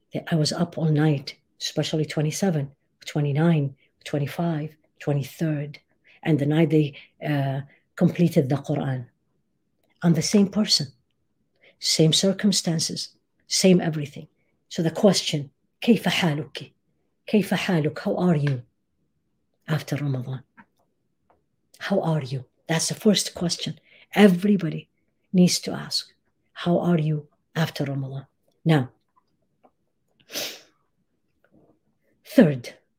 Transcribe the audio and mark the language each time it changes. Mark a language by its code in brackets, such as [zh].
[en] I was up all night, especially 27, 29, 25, 23rd. And the night they completed the Quran. I'm the same person, same circumstances, same everything. So the question, [ar] كيف حالك؟ كيف حالك? [en] How are you after Ramadan? How are you? That's the first question everybody needs to ask. How are you after Ramadan? Now, third.